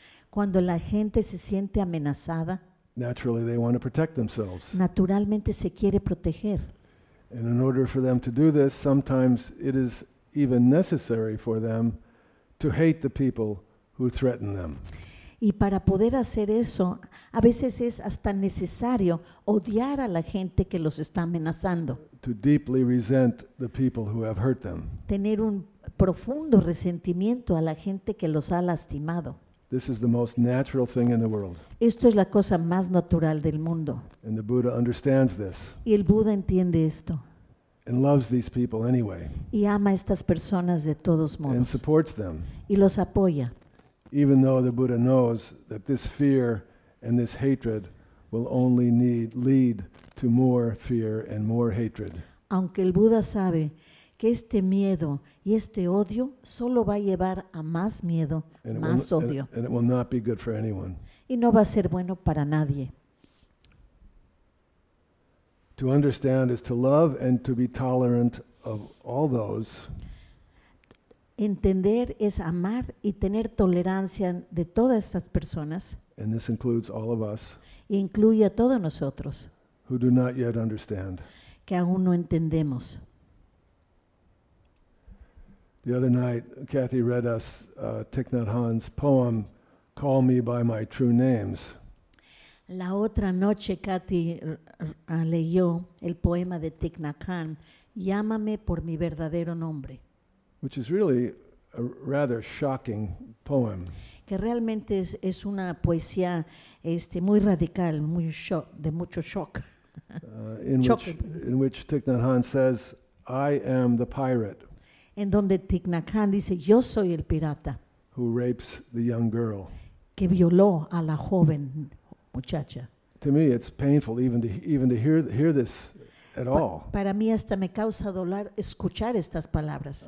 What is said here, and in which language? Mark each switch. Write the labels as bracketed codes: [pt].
[es] cuando la gente se siente amenazada, [en] naturally they want to protect themselves. [es] Naturalmente se quiere proteger. [en] And in order for them to do this, sometimes it is even necessary for them to hate the people who threaten them. [es] Y para poder hacer eso, a veces es hasta necesario odiar a la gente que los está amenazando. [en] To deeply resent the people who have hurt them. [es] Tener un profundo resentimiento a la gente que los ha lastimado. [en] This is the most natural thing in the world. [es] Esto es la cosa más natural del mundo. [en] And the Buddha understands this. [es] Y el Buda entiende esto. [en] And loves these people anyway. [es] Y ama a estas personas de todos modos. [en] And supports them. [es] Y los apoya. [en] Even though the Buddha knows that this fear and this hatred will only lead to more fear and more hatred. [es] Aunque el Buda sabe que este miedo y este odio solo va a llevar a más miedo, más odio. [en] And it will not be good for anyone. [es] Y no va a ser bueno para nadie. [en] To understand is to love and to be tolerant of all those. [es] Entender es amar y tener tolerancia de todas estas personas. [en] And this includes all of us. [es] Incluye a todos nosotros. [en] Who do not yet understand. [es] Que aún no entendemos. [en] The other night, Kathy read us Thich Nhat Hanh's poem, Call Me By My True Names. [es] La otra noche, Kathy leyó el poema de Thich Nhat Hanh, Llámame por mi verdadero nombre. [en] Which is really a rather shocking poem. [es] Que realmente es una poesía muy radical, de mucho shock. [en] in which Thich Nhat Hanh says, "I am the pirate." [es] En donde Thich Nhat Hanh dice, "Yo soy el pirata." [en] Who rapes the young girl? [es] Que violó a la joven muchacha. [en] To me, it's painful even to hear this at all. [es] Para mí hasta me causa dolor escuchar estas palabras.